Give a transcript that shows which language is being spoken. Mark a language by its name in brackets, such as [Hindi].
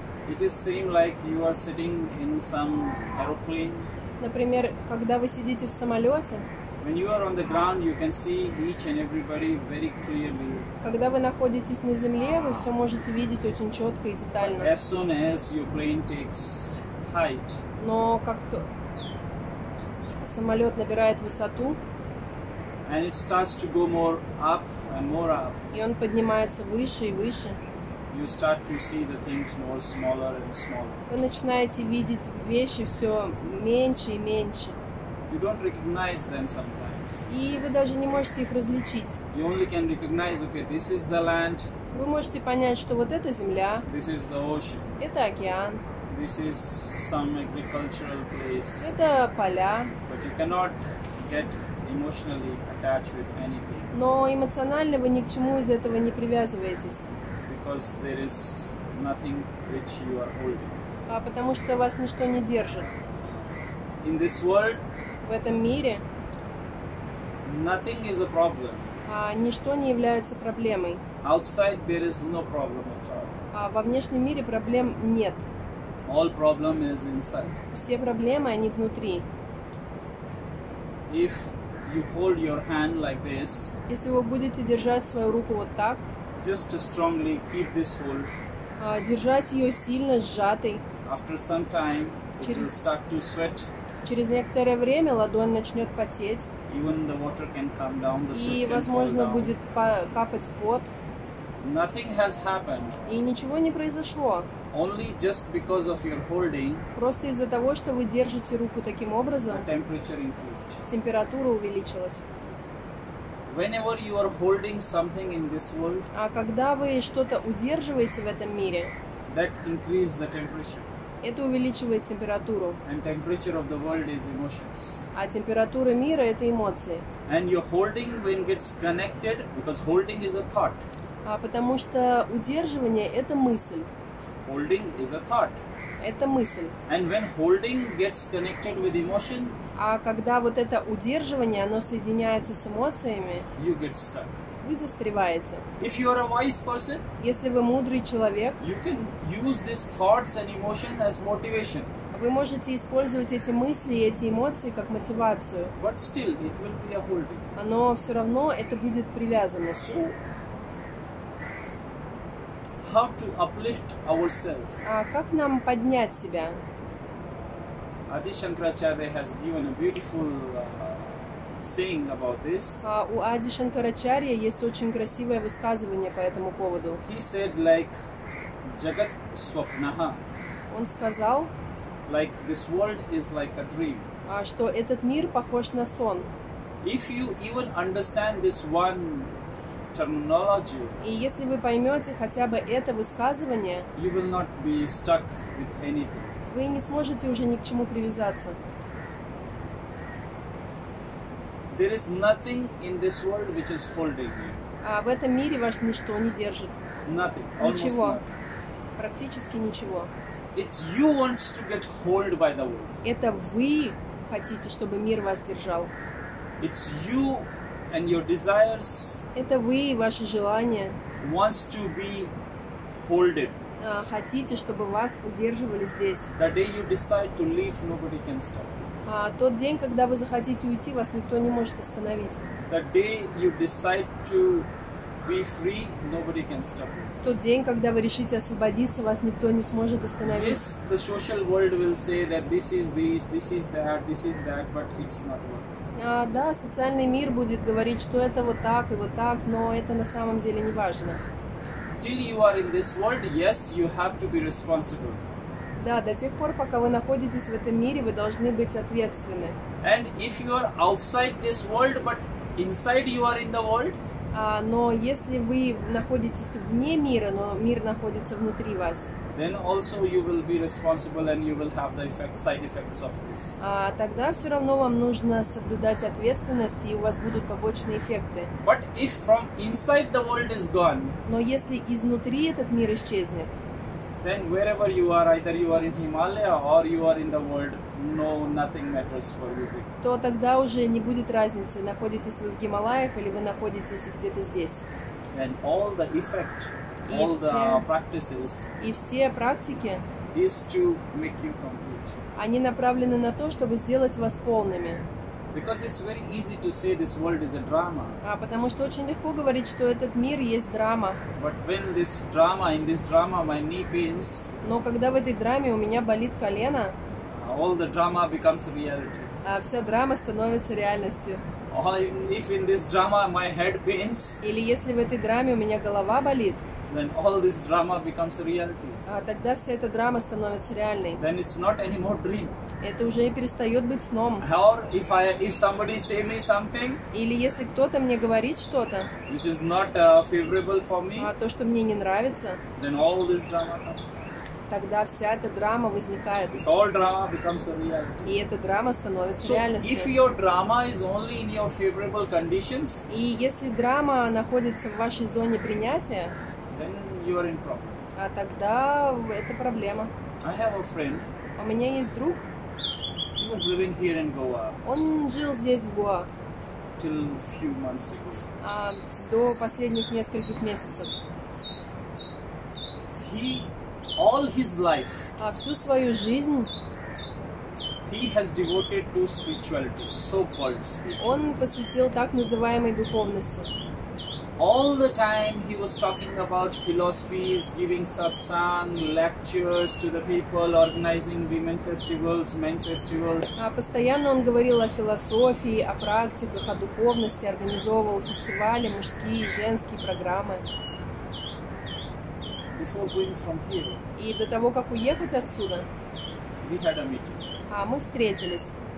[English] It is seem like you are sitting in some aeroplane. [Russian] Например, когда вы сидите в самолете, когда вы находитесь на земле, вы все можете видеть очень четко и детально. [English] As soon as your plane takes height, [Russian] но как самолет набирает высоту, [English] and it starts to go more up and more up, [Russian] и он поднимается выше и выше, [English] you start to see the things more smaller and smaller. [Russian] Вы начинаете видеть вещи все меньше и меньше. [English] You don't recognize them sometimes. [Russian] И вы даже не можете их различить. [English] You only can recognize, okay, this is the land. [Russian] Вы можете понять, что вот это земля. [English] This is the ocean. [Russian] Это океан. [English] This is some agricultural place. [Russian] Это поля. [English] But you cannot get emotionally attached with anything. [Russian] Но эмоционально вы ни к чему из этого не привязываетесь. [English] Because there is nothing which you are holding. [Russian] А потому что вас ничто не держит. [English] In this world, [Russian] в этом мире, [English] nothing is a problem. [Russian] А ничто не является проблемой. [English] Outside there is no problem at all. [Russian] А во внешнем мире проблем нет. [English] All problem is inside. [Russian] Все проблемы, они внутри. [English] If you hold your hand like this, [Russian] если вы будете держать свою руку вот так, [English] just strongly keep this hold, [Russian] держать ее сильно сжатой, [English] after some time, [Russian] через, [English] it will start to sweat, [Russian] через некоторое время ладонь начнет потеть, [English] even the water can come down, the [Russian] и, возможно, будет капать пот. [English] Nothing has happened. [Russian] И ничего не произошло. [English] Only just because of your holding, [Russian] просто из-за того, что вы держите руку таким образом, [English] the temperature increased. [Russian] Температура увеличилась. [English] Whenever you are holding something in this world, [Russian] а когда вы что-то удерживаете в этом мире, [English] that increases the temperature. [Russian] Это увеличивает температуру. [English] And temperature of the world is emotions. [Russian] А температура мира — это эмоции. [English] And your holding, when gets connected, because holding is a thought. [Russian] А потому что удерживание — это мысль. [English] Holding is a thought. [Russian] Это мысль. [English] And when holding gets connected with emotion, [Russian] а когда вот это удерживание, оно соединяется с эмоциями, [English] you get stuck. [Russian] Вы застреваете. [English] If you are a wise person, [Russian] если вы мудрый человек, [English] you can use these thoughts and emotion as motivation. [Russian] Вы можете использовать эти мысли и эти эмоции как мотивацию. [English] But still, it will be a holding. [Russian] Но все равно это будет привязанность. [English] So, how to uplift ourselves? [Russian] А как нам поднять себя? [English] Ади Шанкарачарья has given a beautiful saying about this. [Russian] У Ади Шанкарачарья есть очень красивое высказывание по этому поводу. [English] He said like [Sanskrit] jagat swapnaha. [Russian] Он сказал, [English] like this world is like a dream. [Russian] А что этот мир похож на сон. [English] If you even understand this one terminology, [Russian] и если вы поймете хотя бы это высказывание, [English] you will not be stuck with anything. [Russian] Вы не сможете уже ни к чему привязаться. [English] There is nothing in this world which is holding you. [Russian] А в этом мире вас ничто не держит. [English] Nothing. [Russian] Ничего. [English] Nothing. [Russian] Практически ничего. [English] It's you wants to get hold by the world. [Russian] Это вы хотите, чтобы мир вас держал. [English] It's you and your desires. [Russian] Это вы и ваши желания. [English] Wants to be holded. [Russian] Хотите, чтобы вас удерживали здесь. [English] The day you decide to leave, nobody can stop. [Russian] А тот день, когда вы захотите уйти, вас никто не может остановить. [English] The day you decide to be free, nobody can stop you. [Russian] Тот день, когда вы решите освободиться, вас никто не сможет остановить. [English] Yes, the social world will say that this is that, but it's not work. [Russian] Да, социальный мир будет говорить, что это вот так и вот так, но это на самом деле не важно. [English] Till you are in this world, yes, you have to be responsible. [Russian] Да, до тех пор, пока вы находитесь в этом мире, вы должны быть ответственны. [English] And if you are outside this world, but inside you are in the world. [Russian] Но если вы находитесь вне мира, но мир находится внутри вас. [English] Then also you will be responsible and you will have the effect, side effects of this. [Russian] Тогда все равно вам нужно соблюдать ответственность, и у вас будут побочные эффекты. [English] But if from inside the world is gone. [Russian] Но если изнутри этот мир исчезнет. [English] Then wherever you are, either you are in Himalaya or you are in the world, no, nothing matters for you. [Russian] То тогда уже не будет разницы, находитесь вы в Гималаях или вы находитесь где-то здесь. [English] And all the effect, all the practices. [Russian] И все практики. [English] Is to make you complete. [Russian] Они направлены на то, чтобы сделать вас полными. [English] Because it's very easy to say this world is a drama. [Russian] Потому что очень легко говорить, что этот мир есть драма. [English] But when this drama, in this drama, my knee pains. [Russian] Но когда в этой драме у меня болит колено. [English] All the drama becomes reality. [Russian] Вся драма становится реальностью. [English] Or if in this drama my head pains. [Russian] Или если в этой драме у меня голова болит. [English] Then all this drama becomes reality. [Russian] Тогда вся эта драма становится реальной. [English] Then it's not anymore dream. [Russian] Это уже и перестает быть сном. [English] Or if somebody say me something. [Russian] Или если кто-то мне говорит что-то. [English] Which is not favorable for me. [Russian] То, что мне не нравится. [English] Then all this drama comes. [Russian] Тогда вся эта драма возникает. [English] This all drama becomes a reality. [Russian] И эта драма становится [English] so [Russian] реальностью. [English] If your drama is only in your favorable conditions. [Russian] И если драма находится в вашей зоне принятия. [English] Then you are in problem. [Russian] Тогда это проблема. [English] I have a friend. [Russian] У меня есть друг. [English] He was living here in Goa. [Russian] Он жил здесь, в Гоа. [English] Till few months ago. [Russian] До последних нескольких месяцев. [English] He, all his life. [Russian] Всю свою жизнь. [English] He has devoted to spirituality, so-called spirituality. [Russian] Он посвятил так называемой духовности. [English] All the time he was talking about philosophies, giving satsang, lectures to the people, organizing women festivals, men festivals. [Russian] Постоянно он говорил о философии, о практиках, о духовности, организовывал фестивали, мужские и женские программы. [English] Before going from here. [Russian] И до того, как уехать отсюда. [English] We had a meeting. [Russian] Мы встретились.